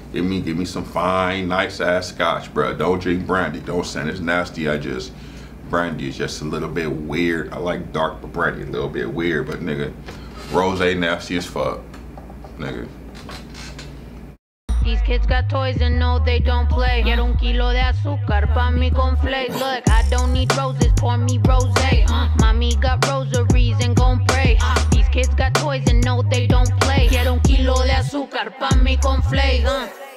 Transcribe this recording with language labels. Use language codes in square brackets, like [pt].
[en] Give me some fine, nice ass scotch, bro. Don't drink brandy. Don't send it's nasty. Brandy is just a little bit weird. I like dark, but brandy a little bit weird. But nigga, rosé nasty as fuck, nigga. These kids got toys and no, they don't play. [es] Quiero un kilo de azúcar pa' mi Confleis. [en] Look, I don't need roses, pour me rosé. Mami got rosaries and gon' pray. These kids got toys and no, they don't play. [es] Quiero un kilo de azúcar pa' mi Confleis.